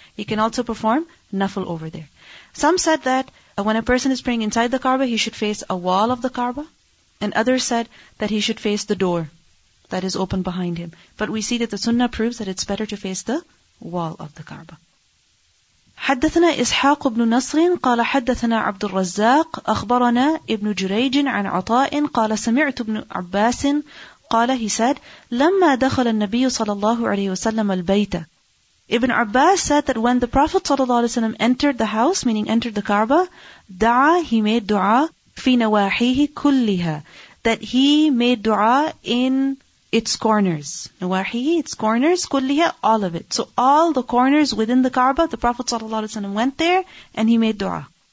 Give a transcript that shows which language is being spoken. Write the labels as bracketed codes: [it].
[en] He can also perform nafil over there. Some said that when a person is praying inside the Kaaba, he should face a wall of the Kaaba. And others said that he should face the door that is open behind him. But we see that the Sunnah proves that it's better to face the wall of the Kaaba. [ar] حدثنا إسحاق بن نصر قال حدثنا عبد الرزاق أخبرنا ابن جريج عن عطاء قال سمعت ابن عباس قال [en] he said [ar] لما دخل النبي صلى الله عليه وسلم البيت. [en] Ibn Abbas said that when the Prophet ﷺ entered the house, meaning entered the Kaaba, da'a, he made du'a, fi nawahihi kulliha, that he made du'a in its corners. Nawahihi, its corners, kulliha, all of it. So all the corners within the Kaaba, the Prophet ﷺ went there and he made du'a.